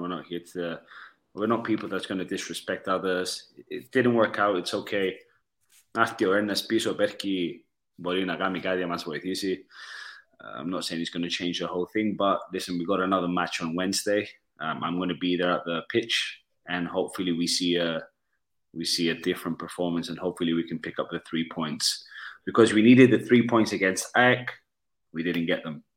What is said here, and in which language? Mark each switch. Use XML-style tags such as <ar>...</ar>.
<en>We're not people that's going to disrespect others. It didn't work out. It's okay. After Ernest, Piso Berki...</en> <el>μπορεί να κάνει κάτι να μας βοηθήσει.</el> <en>I'm not saying he's going to change the whole thing, but listen, we've got another match on Wednesday. I'm going to be there at the pitch, and hopefully we see a different performance, and hopefully we can pick up the 3 points. Because we needed the 3 points against Ek, we didn't get them.</en>